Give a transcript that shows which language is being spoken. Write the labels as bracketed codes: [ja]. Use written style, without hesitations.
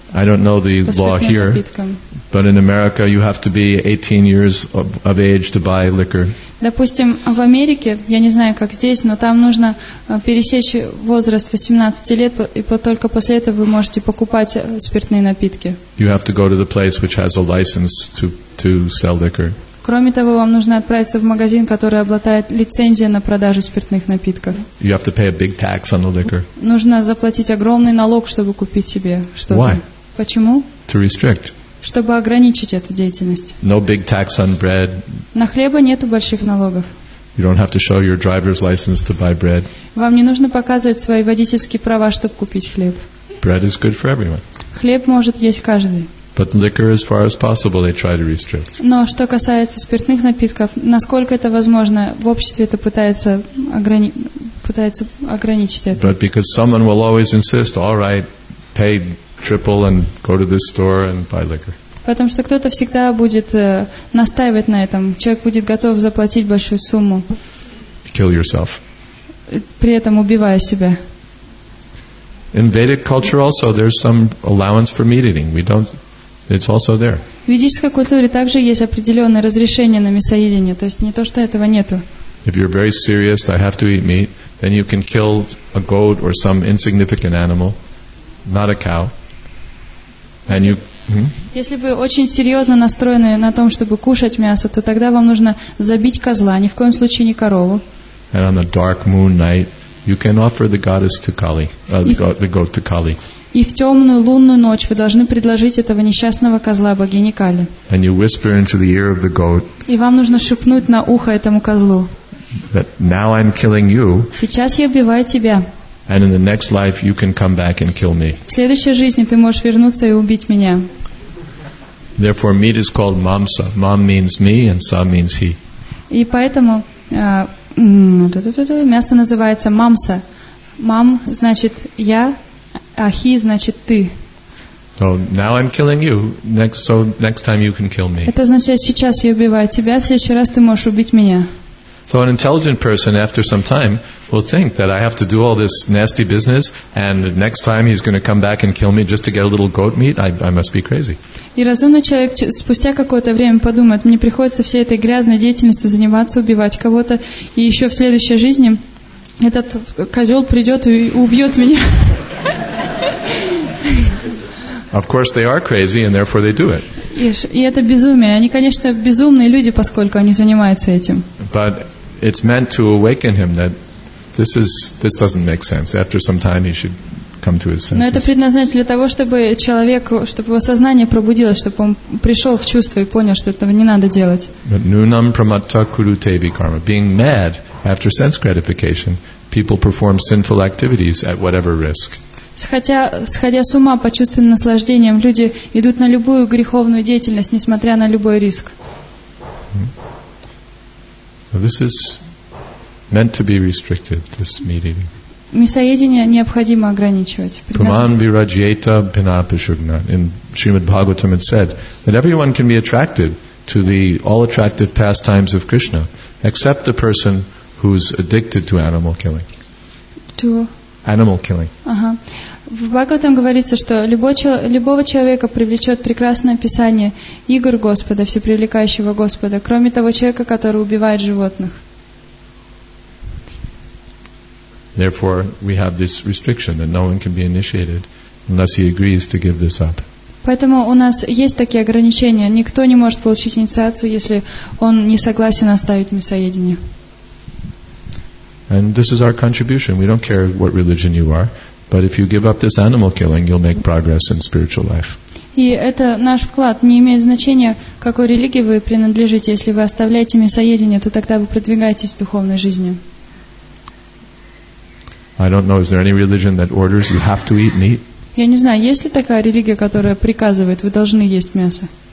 [en] I don't know the law here, But in America, you have to be 18 years of age to buy liquor. [ru] Допустим, в Америке, я не знаю, как здесь, но там нужно пересечь возраст 18 лет, и только после этого вы можете покупать спиртные напитки. [en] You have to go to the place which has a license to sell liquor. [ru] Кроме того, вам нужно отправиться в магазин, который обладает лицензией на продажу спиртных напитков. [en] You have to pay a big tax on the liquor. [ru] Нужно заплатить огромный налог, чтобы купить себе что-то. [en] Why? [ru] Почему? [en] To restrict. [ru] Чтобы ограничить эту деятельность. [en] No big tax on bread. [ru] На хлеба нету больших налогов. [en] You don't have to show your driver's license to buy bread. [ru] Вам не нужно показывать свои водительские права, чтобы купить хлеб. [en] Bread is good for everyone. [ru] Хлеб может есть каждый. [en] But liquor, as far as possible, they try to restrict. [ru] Но что касается спиртных напитков, насколько это возможно, в обществе это пытается ограничить это. [en] But because someone will always insist, all right, pay triple and go to this store and buy liquor. [ru] Потому что кто-то всегда будет настаивать на этом. Человек будет готов заплатить большую сумму. [en] Kill yourself. [ru] При этом убивая себя. [en] In Vedic culture also, there's some allowance for meat eating. We don't. It's also there. [ru] В ведической культуре также есть определенное разрешение на мясоедение, то есть не то, что этого нету. [en] If you're very serious, I have to eat meat, then you can kill a goat or some insignificant animal, not a cow. And you. [ru] Если вы очень серьезно настроены на том, чтобы кушать мясо, то тогда вам нужно забить козла, ни в коем случае не корову. [en] And on a dark moon night, you can offer the goddess to Kali, the goat to Kali. [ru] И в темную лунную ночь вы должны предложить этого несчастного козла богине Кали. [en] And you whisper into the ear of the goat. [ru] И вам нужно шепнуть на ухо этому козлу. [en] That now I'm killing you. [ru] Сейчас я убиваю тебя. [en] And in the next life you can come back and kill me. [ru] В следующей жизни ты можешь вернуться и убить меня. [en] Therefore, meat is called mamsa. Mam means me, and sa means he. [ru] И поэтому мясо называется мамса. Мам значит я. Ахи значит ты. [en] So now I'm killing you. Next time you can kill me. [ru] Это означает, сейчас я убиваю тебя, в следующий раз ты можешь убить меня. [en] So an intelligent person after some time will think that I have to do all this nasty business and next time he's going to come back and kill me just to get a little goat meat. I must be crazy. [ru] И разумный человек спустя какое-то время подумает, мне приходится всей этой грязной деятельностью заниматься, убивать кого-то, и еще в следующей жизни этот козел придет и убьет меня. [en] Of course they are crazy and therefore they do it. [ru] И это безумие. Они, конечно, безумные люди, поскольку они занимаются этим. [en] But it's meant to awaken him that this doesn't make sense. After some time he should come to his senses. [ru] Но это предназначено для того, чтобы человек, чтобы его сознание пробудилось, чтобы он пришел в чувство и понял, что этого не надо делать. [sa] Nunam pramatta kurute vikarma. [en] Being mad after sense gratification, people perform sinful activities at whatever risk. [ru] Сходя с ума по чувственным наслаждениям, люди идут на любую греховную деятельность, несмотря на любой риск. [en] This is meant to be restricted, this meat eating. [ru] Мясоедение необходимо ограничивать. [sa] Praman virajyeta pinapishugna. [en] In Srimad Bhagavatam it said that everyone can be attracted to the all attractive pastimes of Krishna, except the person who's addicted to animal killing. To animal killing. [ru] В Бхагаватам говорится, что любого человека привлечет прекрасное описание игр Господа, всепривлекающего Господа, кроме того человека, который убивает животных. [en] Therefore, we have this restriction that no one can be initiated unless he agrees to give this up. [ru] Поэтому у нас есть такие ограничения. Никто не может получить инициацию, если он не согласен оставить мясоедение. [en] And this is our contribution. We don't care what religion you are. But if you give up this animal killing, you'll make progress in spiritual life. [ru] И это наш вклад. Не имеет значения, какой религии вы принадлежите. Если вы оставляете мясоедение, то тогда вы продвигаетесь в духовной жизни. [en] I don't know. Is there any religion that orders you have to eat meat? [ru] Я не знаю. Есть ли такая религия, которая приказывает, вы должны есть мясо?